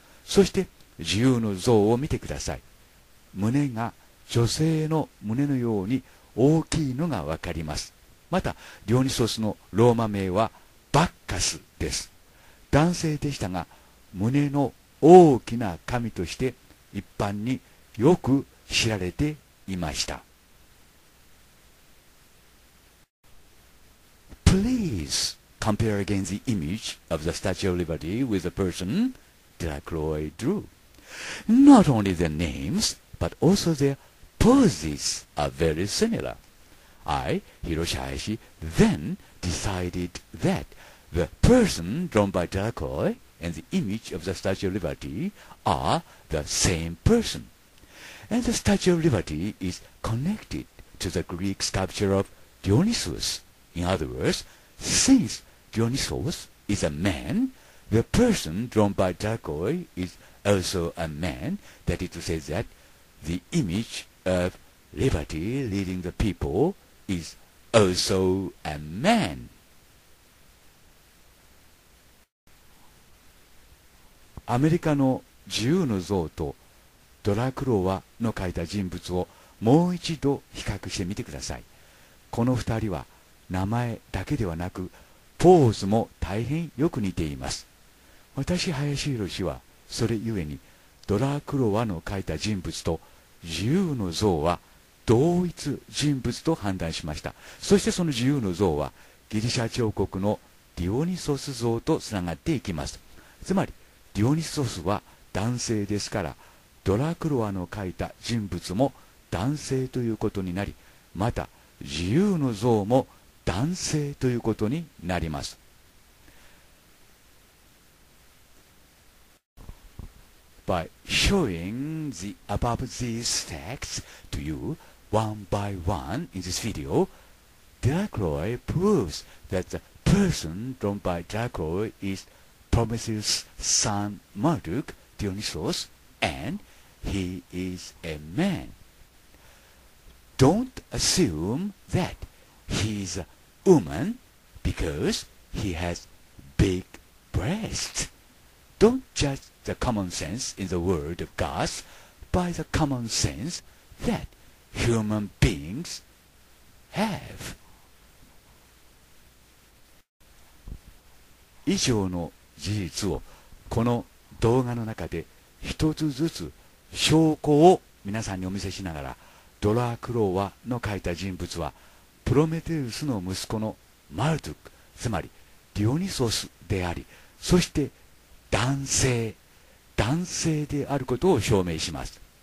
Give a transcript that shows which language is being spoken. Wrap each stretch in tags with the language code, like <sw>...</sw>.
<ja>そして自由の像を見てください。胸が女性の胸のように大きいのがわかります。またディオニソスのローマ名はバッカスです。男性でしたが胸の大きな神として一般によく知られていました。</ja> <en>Please compare again the image of the Statue of Liberty with the person Delacroix drew. Not only their names but also their poses are very similar. I, Hiroshi Hayashi, then decided thatThe person drawn by Delacroix and the image of the Statue of Liberty are the same person. And the Statue of Liberty is connected to the Greek sculpture of Dionysus. In other words, since Dionysus is a man, the person drawn by Delacroix is also a man. That is to say that the image of liberty leading the people is also a man.</en> <ja>アメリカの自由の像とドラクロワの描いた人物をもう一度比較してみてください。この二人は名前だけではなくポーズも大変よく似ています。私林浩司はそれゆえにドラクロワの描いた人物と自由の像は同一人物と判断しました。そしてその自由の像はギリシャ彫刻のディオニソス像とつながっていきます。つまりディオニソスは男性ですからドラクロワの描いた人物も男性ということになり、また自由の像も男性ということになります。</ja> <en>By showing the above these facts to you one by one in this video, Delacroix proves that the person drawn by Delacroix isPrometheus' son Marduk Dionysos, and he is a man. Don't assume that he is a woman because he has big breasts. Don't judge the common sense in the world of gods by the common sense that human beings have.</en> <ja>以上の事実をこの動画の中で一つずつ証拠を皆さんにお見せしながら、ドラクロワの書いた人物はプロメテウスの息子のマルドゥク、つまりディオニソスであり、そして男性であることを証明します。</ja>